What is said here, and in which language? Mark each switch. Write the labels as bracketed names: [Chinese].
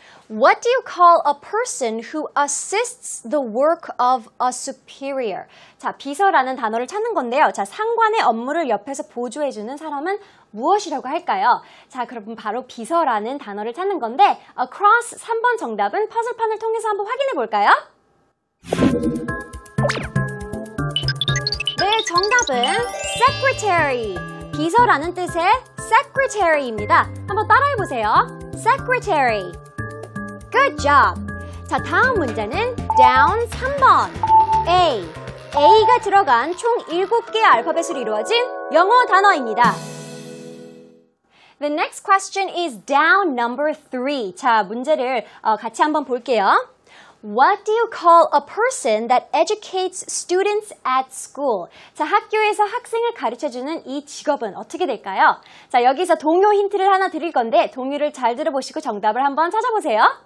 [English] What do you call a person who assists the work of a superior? [Korean] 자, 비서라는 단어를 찾는 건데요. 자, 상관의 업무를 옆에서 보조해주는 사람은 무엇이라고 할까요? 자, 그럼 바로 비서라는 단어를 찾는 건데 across 3번 정답은 퍼즐판을 통해서 한번 확인해 볼까요? 네, 정답은 secretary. 비서라는 뜻의 secretary입니다. 한번 따라해 보세요. secretary. [English] Good job! [Korean] 자, 다음 문제는 down 3번 A. A가 들어간 총 7개의 알파벳으로 이루어진 영어 단어입니다. [English] The next question is down number 3. [Korean] 자, 문제를 같이 한번 볼게요. [English] What do you call a person that educates students at school? [Korean] 자, 학교에서 학생을 가르쳐주는 이 직업은 어떻게 될까요? 자, 여기서 동요 힌트를 하나 드릴 건데 동요를 잘 들어보시고 정답을 한번 찾아보세요.